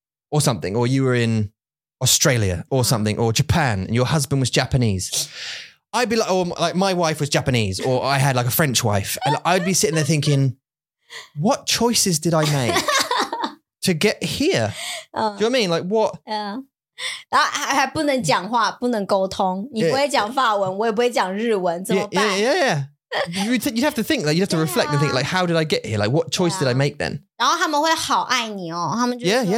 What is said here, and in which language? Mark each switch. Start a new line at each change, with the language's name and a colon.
English: or something, or you were in Australia or something, or Japan, and your husband was Japanese. I'd be like, or like my wife was Japanese, or I had like a French wife. And I'd be sitting there thinking, what choices did I make to get here? Do you know what I mean? Like what? Yeah.
Chinese: 还不能讲话，不能沟通。你不会讲法文，我也不会讲日文，怎么办？Yeah.
English: You'd have to think, like, you'd have to reflect and think, like, how did I get here? Like, what choice did I make then?
Chinese: 然后他们会好爱你哦，他们就说,